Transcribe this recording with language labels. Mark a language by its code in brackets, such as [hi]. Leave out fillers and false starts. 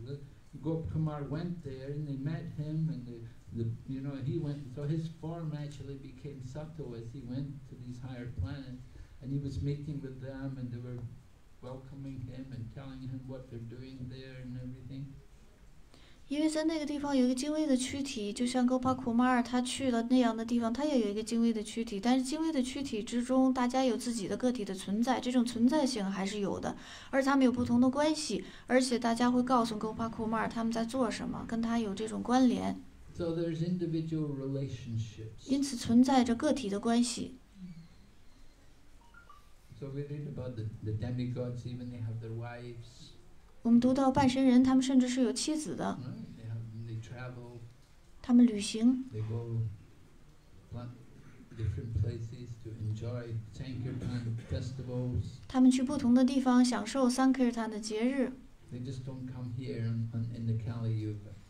[en] The Gopakumar went there and they met him and the, you know, he went, so his form actually became subtle as he went to these higher planets and he was meeting with them and they were welcoming him and telling him what they're doing there and everything. [zh] 因为在那个地方有一个精微的躯体，就像戈帕库马尔他去了那样的地方，他也有一个精微的躯体，但是精微的躯体之中大家有自己的个体的存在，这种存在性还是有的，而他们有不同的关系，而且大家会告诉戈帕库马尔他们在做什么，跟他有这种关联。 [en] So there's individual relationships. [zh] 因此存在着个体的关系。 [en] So we read about the demigods, even they have their wives. [zh] 我们读到半神人，他们甚至是有妻子的。 [en] They travel, [zh] 他们旅行。 [en] They go different places to enjoy Sankirtan festivals. [zh] 他们去不同的地方享受 Sankirtan 的节日。 [en] They just don't come here in the Kali Yuga.